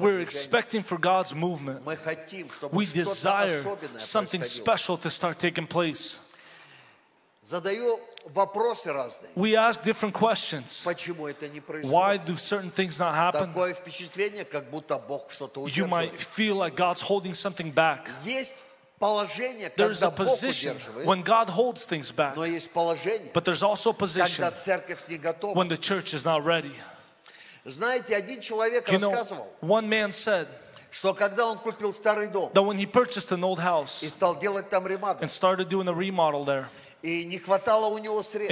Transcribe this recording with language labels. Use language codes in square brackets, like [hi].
[en] We're expecting for God's movement. [ru] Мы хотим, чтобы [en] we desire something special to start taking place. [ru] Задаю вопросы разные. [en] We ask different questions. [ru] Почему это не происходит? [en] Why do certain things not happen? [ru] Такое впечатление, как будто Бог что-то удерживает. [en] You might feel like God's holding something back. [ru] Есть положение, когда [en] there's a position when God holds things back. [ru] Но есть положение, [en] but there's also a position [ru] когда церковь не готова. [en] When the church is not ready. [ru] Знаете, один человек рассказывал, [en] one man said, [ru] что когда он купил старый дом, [en] that when he purchased an old house, [ru] и стал делать там ремонт, [en] and started doing a remodel there, [ru] и не хватало у него средств,